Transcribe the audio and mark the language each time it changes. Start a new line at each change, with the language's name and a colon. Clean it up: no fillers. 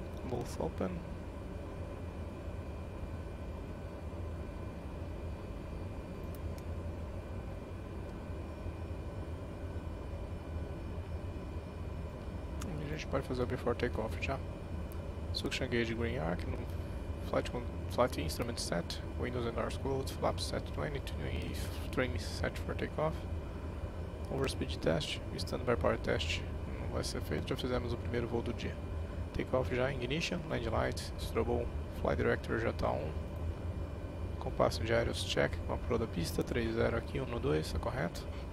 English: Both open.
Portuguese: E a gente pode fazer o before takeoff já.
English: Suction gauge green arc. Flight instrument set, windows and doors closed, flaps set 20, trim set for takeoff. Overspeed test, standby power test,
Portuguese: não vai ser feito, já fizemos o primeiro voo do dia.
English: Takeoff já, ignition, land light, strobo, fly director já está on.
Portuguese: Compasso de aéreos check com a proa da pista, 3-0 aqui, 1-2, está correto.